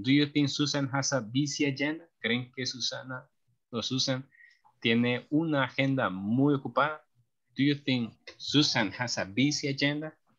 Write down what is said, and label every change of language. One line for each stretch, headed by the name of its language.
English: Do you think Susan has a busy agenda?
Spanish: ¿Creen que Susan tiene una agenda muy ocupada?
English: Do you think Susan has a busy agenda?